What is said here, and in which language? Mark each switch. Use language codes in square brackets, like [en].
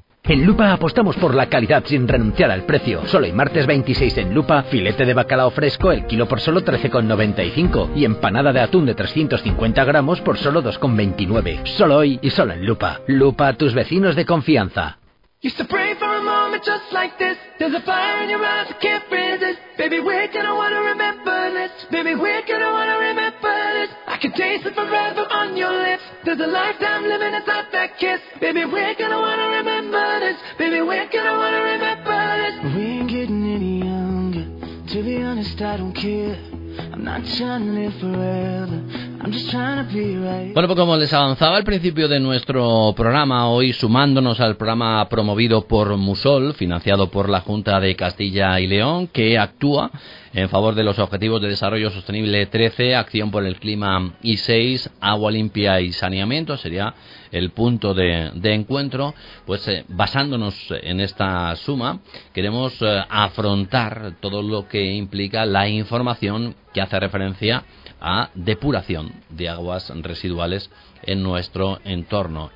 [es] En Lupa apostamos por la calidad sin renunciar al precio. Solo el martes 26 en Lupa, filete de bacalao fresco el kilo por solo 13,95 y empanada de atún de 350 gramos por solo 2,29. Solo hoy y solo en Lupa. Lupa, tus vecinos de confianza. [en] Used to pray for a moment just like this. There's a fire in your eyes, I can't resist. Baby, we're gonna wanna remember this. Baby, we're gonna wanna remember this. I can taste it forever on your lips. There's a lifetime living inside that kiss. Baby, we're gonna wanna remember this. Baby, we're gonna wanna remember this. We ain't getting any younger. To be honest, I don't care. I'm not trying to live forever. [es] Bueno, pues como les avanzaba al principio de nuestro programa, hoy sumándonos al programa promovido por Musol, financiado por la Junta de Castilla y León, que actúa en favor de los Objetivos de Desarrollo Sostenible 13, Acción por el Clima y 6, Agua Limpia y Saneamiento, sería el punto de encuentro, pues basándonos en esta suma, queremos afrontar todo lo que implica la información que hace referencia a depuración de aguas residuales en nuestro entorno.